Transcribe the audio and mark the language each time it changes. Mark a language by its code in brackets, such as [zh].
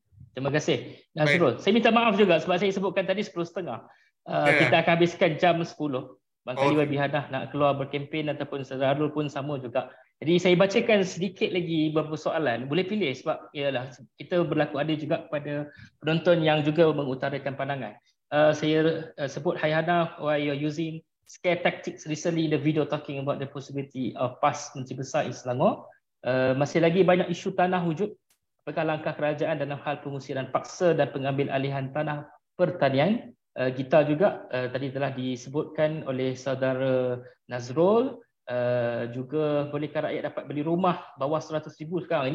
[ms] Terima kasih Nasrul. Saya minta maaf juga sebab saya sebutkan tadi 10:30. Kita akan habiskan jam 10. Bangsa Iwan Bihanah nak keluar berkempen ataupun Nasrul pun sama juga. Jadi saya bacakan sedikit lagi beberapa soalan. Boleh pilih sebab ialah kita berlaku adil juga kepada penonton yang juga mengutarakan pandangan. Saya sebut, "Hai Hana, [en] why you're using scare tactics recently in the video talking about the possibility of PAS Menteri Besar in Selangor. [ms] Masih lagi banyak isu tanah wujud. Apakah langkah kerajaan dalam hal pengusiran paksa dan pengambil alihan tanah pertanian?" Gita juga tadi telah disebutkan oleh saudara Nazrul. Juga, bolehkah rakyat dapat beli rumah bawah 100 ribu sekarang?